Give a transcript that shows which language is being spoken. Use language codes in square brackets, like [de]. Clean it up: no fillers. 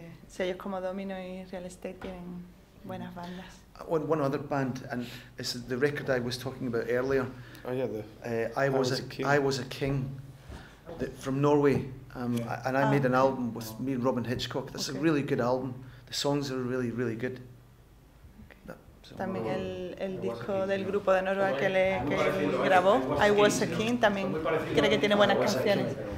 [es] Sellos como Domino y Real Estate tienen buenas bandas. [en] One other band, and it's the record I was talking about earlier. Oh yeah, I was a king. From Norway, made an album with me and Robin Hitchcock. That's a really good album. The songs are really, really good. [es] También el disco del grupo de Noruega que grabó, I Was a King, también cree que tiene buenas canciones.